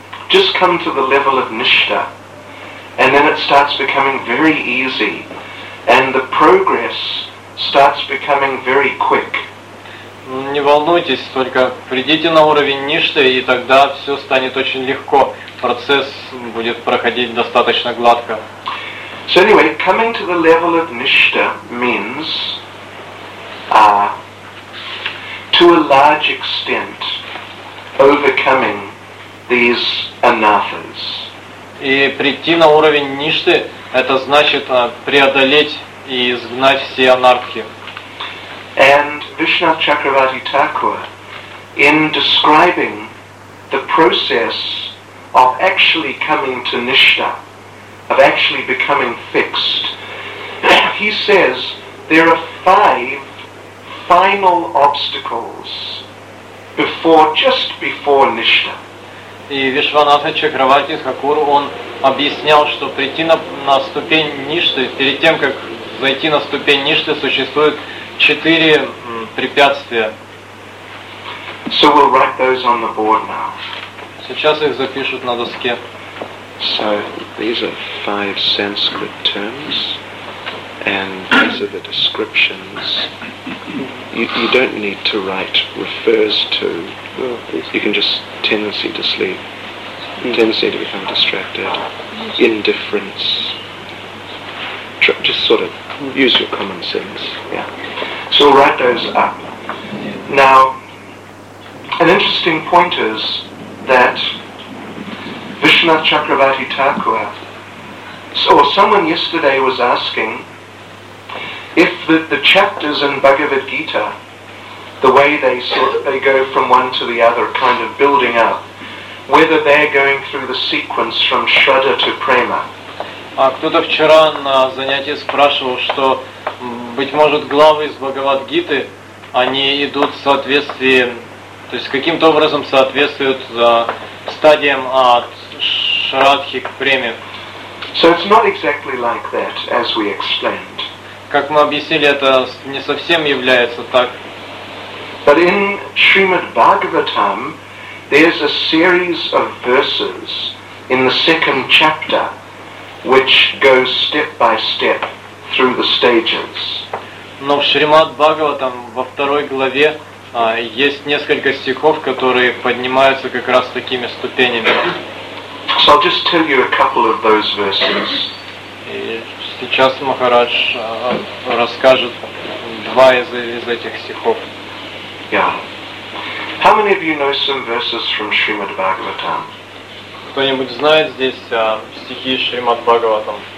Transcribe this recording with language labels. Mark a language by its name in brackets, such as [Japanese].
[English] Just come to the level of nishta, and then it starts becoming very easy, and the progress starts becoming very quick. [Russian] Не волнуйтесь, только придите на уровень ништы, и тогда все станет очень легко. Процесс будет проходить достаточно гладко. [English] So anyway, coming to the level of nishta means to a large extent overcoming these anathas. [Russian] И прийти на уровень ништы, это значит преодолеть и изгнать все анархи. [English] And Vishnath Chakravarti Thakur, in describing the process of actually coming to nishta, of actually becoming fixed, he says there are five final obstacles before, just before nishta. [Russian] И Вишванатха Чакравати Хакур, он объяснял, что прийти на ступень ништы, перед тем, как зайти на ступень ништы, существует четыре препятствия. [English] So we'll write those on the board now. [Russian] Сейчас их запишут на доске. [English] So these are five Sanskrit terms, and these are the descriptions. You don't need to write refers to. You can just tendency to sleep, tendency to become distracted, indifference. Just sort of use your common sense. Yeah. So we'll write those up. Now, an interesting point is that Vishnath Chakravarti Thakur, or someone yesterday was asking if the chapters in Bhagavad Gita, the way they sort of, they go from one to the other, kind of building up, whether they're going through the sequence from Shraddha to Prema. [Russian] А кто-то вчера на занятии спрашивал, что, быть может, главы из Бхагавад-гиты, они идут в соответствии, то есть каким-то образом соответствуют стадиям от Шрадхи к Преме. [English] So it's not exactly like that, as we explained. [Russian] Как мы объяснили, это не совсем является так. [English] But in Srimad Bhagavatam, there's a series of verses in the second chapter which goes step by step through the stages. [Russian] Но в Шримад Бхагаватам во второй главе есть несколько стихов, которые поднимаются как раз такими ступенями. [English] So I'll just tell you a couple of those verses. [Russian] И сейчас Махарадж расскажет два из этих стихов. [English] Yeah. How many of you know some verses from Srimad Bhagavatam? [Russian] Кто-нибудь знает здесь стихи Шримад Бхагаватам?